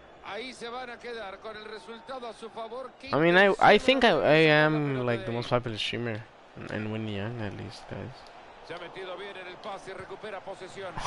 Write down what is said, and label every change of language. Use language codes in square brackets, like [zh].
[es] Ahí se van a quedar con el resultado a su favor. [en] I mean, I think I am like the most popular streamer in Winnyang, at least, guys. [es] Se ha metido bien en el pase y recupera posesión.